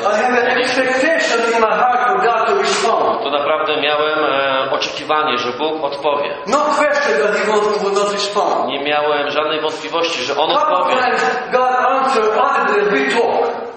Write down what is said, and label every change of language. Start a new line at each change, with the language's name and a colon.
English: I have an expectation in my heart for God to respond.
Polish: To naprawdę miałem oczekiwanie, że Bóg odpowie.
English: No question that he will not respond.
Polish: Nie miałem żadnej wątpliwości, że On odpowie.
English: God answered other than we talk.